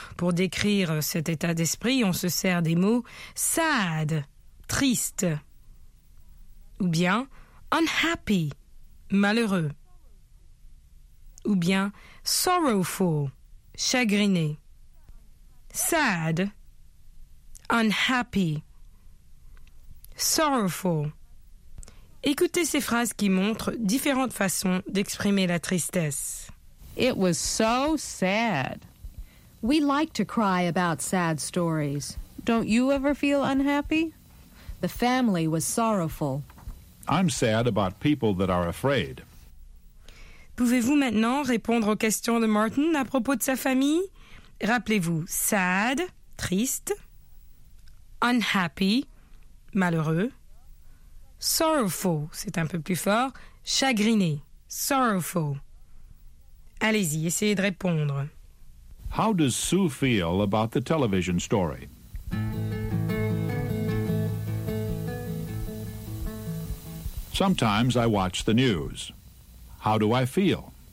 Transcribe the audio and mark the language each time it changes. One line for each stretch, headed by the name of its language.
French: Pour décrire cet état d'esprit, on se sert des mots « sad », « triste » ou bien « unhappy », « malheureux » ou bien « sorrowful », « chagriné ».
English: « Sad », « unhappy », « sorrowful ».
French: Écoutez ces phrases qui montrent différentes façons d'exprimer la tristesse.
English: It was so sad. We like to cry about sad stories. Don't you ever feel unhappy? The family was sorrowful. I'm sad about people that are afraid.
French: Pouvez-vous maintenant répondre aux questions de Martin à propos de sa famille? Rappelez-vous, sad, triste, unhappy, malheureux. Sorrowful, c'est un peu plus fort. Chagriné, sorrowful. Allez-y, essayez de répondre.
English: How does Sue feel about the television story? Sometimes I watch the news. How do I feel?